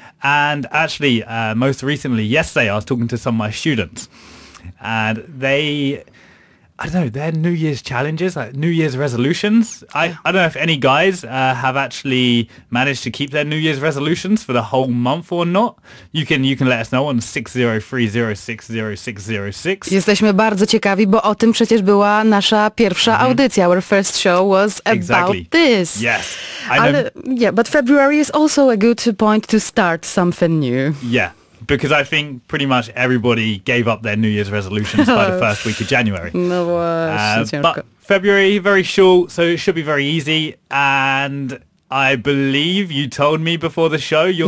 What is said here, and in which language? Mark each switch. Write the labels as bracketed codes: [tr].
[en] And actually, most recently, yesterday, I was talking to some of my students. And they, I don't know, their New Year's challenges, like New Year's resolutions. I don't know if any guys have actually managed to keep their New Year's resolutions for the whole month or not. You can let us know on 603-06-06-06. [pl] Jesteśmy bardzo ciekawi, bo o tym przecież była nasza pierwsza audycja. [en] Our first show was about this. Yes. But February is also a good point to start something new. Yeah. Because I think pretty much everybody gave up their New Year's resolutions by the first week of January. No, but February, very short, so it should be very easy. And I believe you told me before the show you're